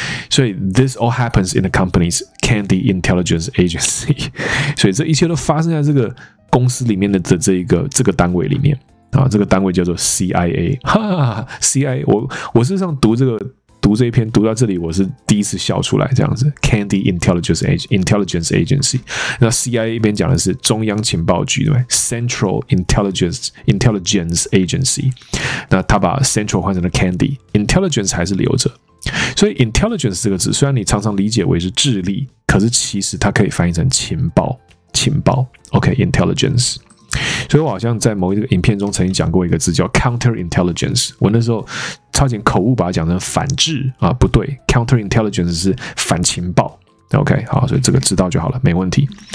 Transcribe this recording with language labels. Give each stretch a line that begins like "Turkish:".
Chinese: 所以
English: This all happens in the company's Candy Intelligence Agency，
Chinese: 所以这一切都发生在这个公司里面的这个单位里面、啊、这个单位叫做 CIA， 哈哈 CIA， 我事实上读这一篇读到这里我是第一次笑出来这样子。 Candy Intelligence Agency， 那 CIA 一边讲的是中央情报局，对不对？ Central Intelligence Agency， 那他把 Central 换成了 Candy， Intelligence 还是留着。所以 Intelligence 这个字虽然你常常理解为是智力，可是其实它可以翻译成情报 OK Intelligence。所以我好像在某一个影片中曾经讲过一个字叫 counterintelligence， 我那时候差点口误把它讲成反智、啊、不对， counterintelligence 是反情报， OK， 好，所以这个知道就好了，没问题。